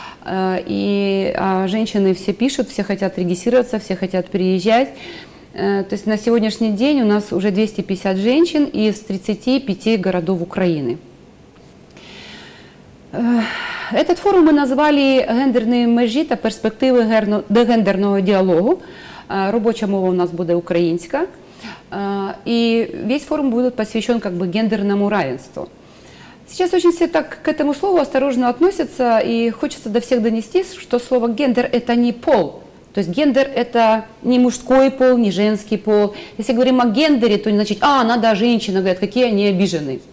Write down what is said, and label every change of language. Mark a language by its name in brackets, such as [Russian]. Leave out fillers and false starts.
[Russian] И женщины все пишут, все хотят регистрироваться, все хотят приезжать. То есть на сегодняшний день у нас уже 250 женщин из 35 городов Украины. Этот форум мы назвали «Гендерные [Ukrainian] межи та перспективи дегендерного диалогу». Робоча мова у нас буде українська. [Russian] И весь форум будет посвящен как бы гендерному равенству. Сейчас очень все так к этому слову осторожно относятся, и хочется до всех донести, что слово «гендер» — это не пол. То есть гендер — это не мужской пол, не женский пол. Если говорим о гендере, то не значит, а, надо, женщина, говорят, какие они обижены.